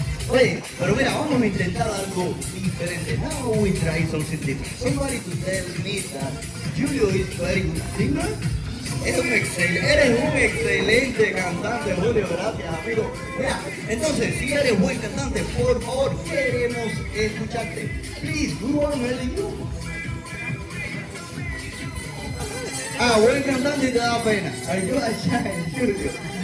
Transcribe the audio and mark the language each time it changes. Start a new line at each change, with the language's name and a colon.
Spanish: Oye, pero mira, vamos a intentar algo diferente.
English: No, we try something different. Somebody to tell me that Julio is very good singer.
Spanish: Eres un excelente cantante, Julio. Gracias, amigo. Mira, entonces, si eres buen cantante, por favor, queremos escucharte.
English: Please, do one really good.
Spanish: Ah, buen cantante, te da pena. Ayuda a Julio.